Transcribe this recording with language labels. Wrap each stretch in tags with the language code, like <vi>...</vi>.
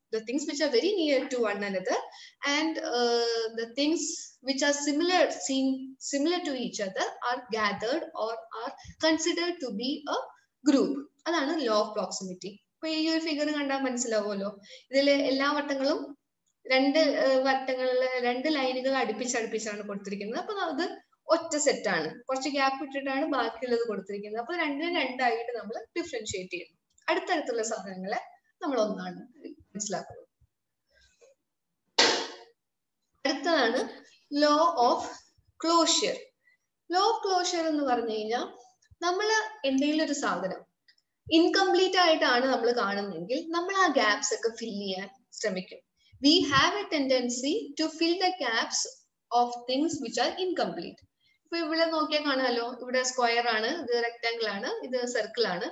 <en>The things which are very near to one another and the things which are similar, seen similar to each other, are gathered or are considered to be a group.</en> <ml>Adana law of proximity. Appo ee oru figure kanda manasilavallo idile ella vattangalum രണ്ട് വട്ടങ്ങളിൽ രണ്ട് ലൈനുകൾ അടുപ്പിച്ചടുപ്പിച്ചാണ് കൊടുത്തിരിക്കുന്നത്. അപ്പൊ അത് ഒറ്റ സെറ്റാണ്, കുറച്ച് gap ഇട്ടിട്ടാണ് ബാക്കിയുള്ളത് കൊടുത്തിരിക്കുന്നത്. അപ്പൊ രണ്ടിനും രണ്ടായിട്ട് നമ്മൾ ഡിഫറൻഷിയേറ്റ് ചെയ്യുന്നു. അടുത്തടുത്തുള്ള സാധനങ്ങളെ നമ്മൾ ഒന്നാണ് മനസ്സിലാക്കുന്നത്. അടുത്തതാണ് law of closure. Law of closure എന്ന് പറഞ്ഞു കഴിഞ്ഞാൽ നമ്മള് എന്തെങ്കിലും ഒരു സാധനം ഇൻകംപ്ലീറ്റ് ആയിട്ടാണ് നമ്മൾ കാണുന്നതെങ്കിൽ നമ്മൾ ആ ഗ്യാപ്സ് ഒക്കെ ഫിൽ ചെയ്യാൻ ശ്രമിക്കും.</ml> <en>We have a tendency to fill the gaps of things which are incomplete. If you look at this, this is a square, this is a rectangle, this is a circle.</en>